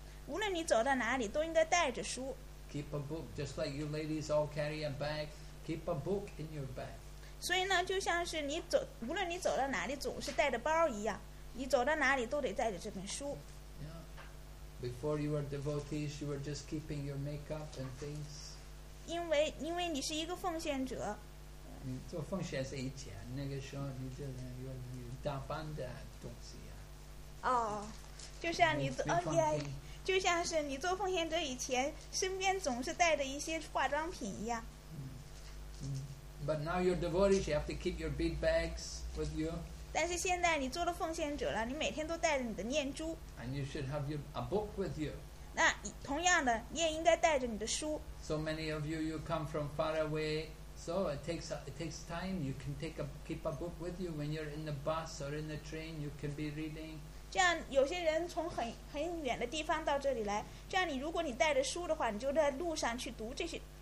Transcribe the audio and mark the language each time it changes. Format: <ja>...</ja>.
<zh>无论你走到哪里，都应该带着书。</zh> <en>Keep a book, just like you ladies all carry a bag. Keep a book in your bag.</en> <zh>所以呢，就像是你走，无论你走到哪里，总是带着包一样，你走到哪里都得带着这本书。 Yeah.</zh> <en>Before you were devotees, you were just keeping your makeup and things.</en> <zh>因为你是一个奉献者。你做奉献是以前那个时候，你就能有打扮的东西。哦，就像你走哦，耶，就像是你做奉献者以前身边总是带着一些化妆品一样。</zh> <en>But now you're devoted, you have to keep your bead bags with you.</en> <zh>但是现在你做了奉献者了，你每天都带着你的念珠。</zh> <en>And you should have a book with you.</en> <zh>那同样的，你也应该带着你的书。</zh> <en>So many of you, you come from far away, so it takes time. You can keep a book with you when you're in the bus or in the train. You can be reading.</en> <zh>这样有些人从很远的地方到这里来，这样你如果你带着书的话，你就在路上去读这些。</zh>